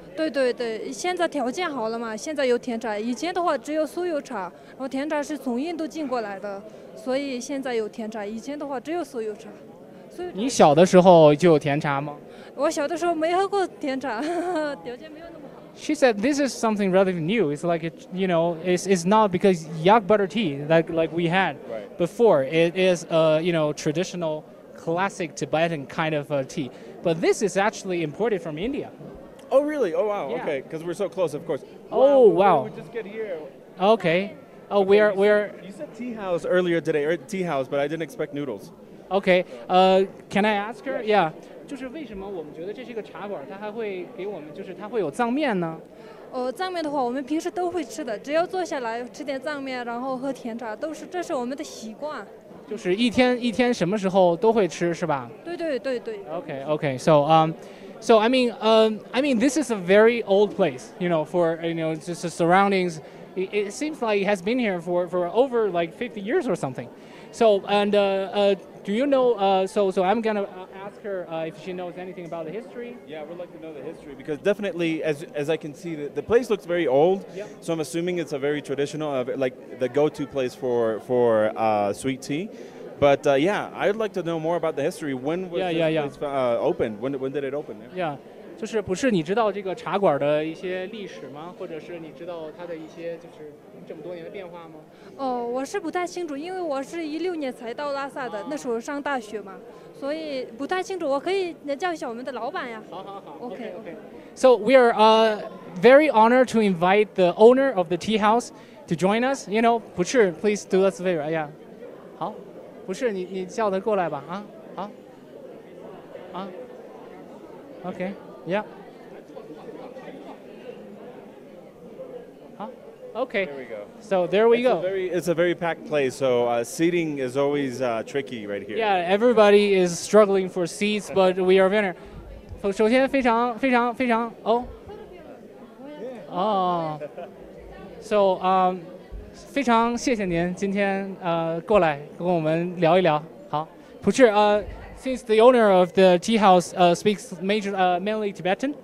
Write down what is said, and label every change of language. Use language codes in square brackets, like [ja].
[zh] 对对对现在条件好了嘛现在有甜茶以前的话只有酥油茶然后甜茶是从印度进过来的所以现在有甜茶以前的话只有酥油茶所以你小的时候就有甜茶吗我小的时候没喝过甜茶呵呵条件没有那么好 [en] She said this is something relatively new it's like it, you know it's not because yak butter tea like we had before it is you know traditionalclassic Tibetan kind of tea but this is actually imported from India oh really oh wow yeah. okay because we're so close of course wow, oh wow we just get here okay oh okay, we're you said tea house earlier today or tea house but I didn't expect noodles okay can I ask her yeah [zh] 就是为什么我们觉得这是一个茶馆它还会给我们就是它会有藏面呢藏面的话我们平时都会吃的只要坐下来吃点藏面然后喝甜茶都是这是我们的习惯就是一天一天什么时候都会吃是吧？对对对对。 [en] Okay, okay. So, so I mean, this is a very old place, you know, for, you know, just the surroundings. It seems like it has been here for over like 50 years or something. So, and, do you know, so I'm going to ask her if she knows anything about the history. Yeah, we'd like to know the history because definitely, as I can see, the place looks very old. Yep. So I'm assuming it's a very traditional, like the go-to place for sweet tea. But yeah, I'd like to know more about the history. When was this place opened? When did it open? Yeah. [zh] 就是不是你知道这个茶馆的一些历史吗？或者是你知道它的一些就是这么多年的变化吗？哦，我是不太清楚，因为我是2016年才到拉萨的，那时候上大学嘛，所以不太清楚。我可以叫一下我们的老板呀。好好好。 [en] OK OK。 So we are very honored to invite the owner of the tea house to join us. You know, [zh] 不是 [en] please do us a favor. [zh] 哎呀，好，不是你叫他过来吧？ [en] 啊，好，啊 ，OK。Yeah. Huh? Okay. There we go. So there we go. It's a very packed place, so seating is always tricky right here. Yeah, everybody is struggling for seats, but we are winner. [zh] 首先非常非常非常哦。 [en] Yeah. Oh. [zh] So 非常谢谢您今天过来跟我们聊一聊。好，不是 [en] Since the owner of the tea house speaks mainly Tibetan,